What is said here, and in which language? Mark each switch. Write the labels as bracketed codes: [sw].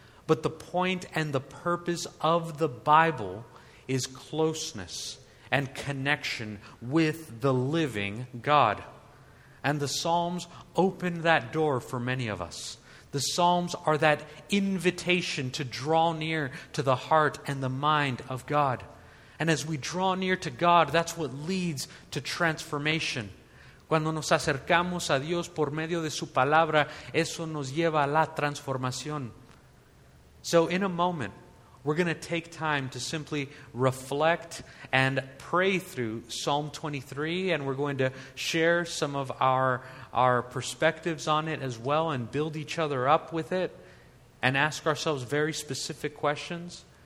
[en] But the point and the purpose of the Bible is closeness and connection with the living God. And the Psalms open that door for many of us. The Psalms are that invitation to draw near to the heart and the mind of God. And as we draw near to God, that's what leads to transformation. [es] Cuando nos acercamos a Dios por medio de su palabra, eso nos lleva a la transformación. [en] So in a moment, we're going to take time to simply reflect and pray through Psalm 23, and we're going to share some of our perspectives on it as well and build each other up with it and ask ourselves very specific questions.